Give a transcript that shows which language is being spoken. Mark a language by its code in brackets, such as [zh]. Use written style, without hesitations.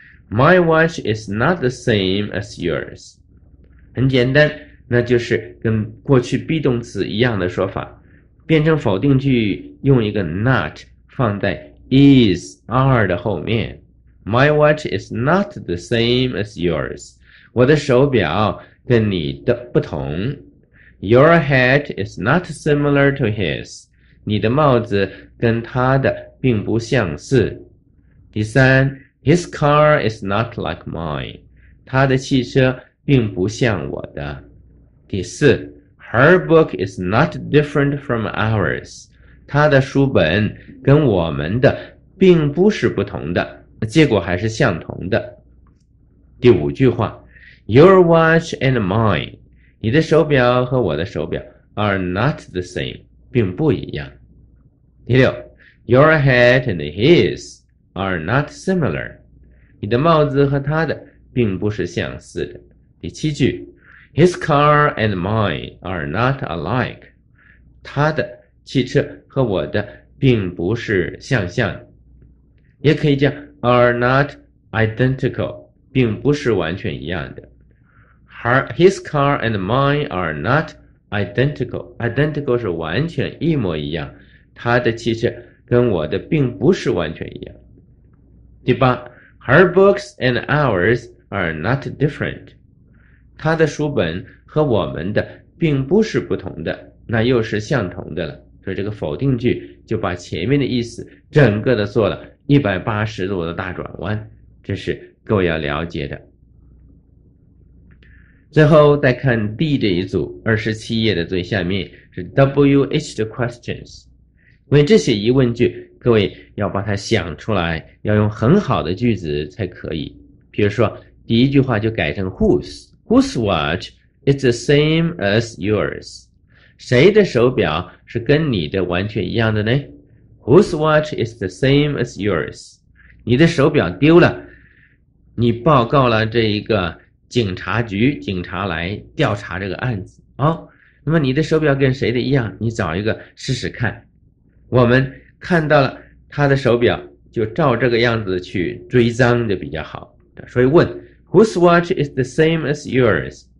[en] My watch is not the same as yours. [zh] 很简单那就是跟过去 be 动词一样的说法。变成否定句用一个 not 放在 is, are 的后面。 [en] My watch is not the same as yours. [zh] 我的手表跟你的不同。 [en] Your hat is not similar to his. [zh] 你的帽子跟他的并不相似。第三 [en] ,his car is not like mine. [zh] 他的汽车并不像我的。第四 [en] ,her book is not different from ours. [zh] 他的书本跟我们的并不是不同的结果还是相同的。第五句话 , [en] your watch and mine. [zh] 你的手表和我的手表 [en] are not the same, [zh] 并不一样。第六 [en] ,your hat and his are not similar. [zh] 你的帽子和他的并不是相似的。第七句 [en] ,his car and mine are not alike. [zh] 他的汽车和我的并不是相像。也可以叫 [en] are not identical, [zh] 并不是完全一样的。 [en] His car and mine are not identical. [zh] Identical 是完全一模一样。他的汽车跟我的并不是完全一样。第八 [en] ,Her books and ours are not different. [zh] 他的书本和我们的并不是不同的那又是相同的了。所以这个否定句就把前面的意思整个的做了180度的大转弯。这是各位要了解的。最后再看 D 这一组，27页的最下面是 WH 的 questions。因为这些疑问句，各位要把它想出来，要用很好的句子才可以。比如说，第一句话就改成 [en] whose watch is the same as yours？ [zh] 谁的手表是跟你的完全一样的呢 ？ [en] Whose watch is the same as yours？ [zh] 你的手表丢了，你报告了这一个警察局，警察来调查这个案子哦。那么你的手表跟谁的一样？你找一个试试看。我们看到了他的手表，就照这个样子去追赃就比较好。所以问 [en] ，Whose watch is the same as yours？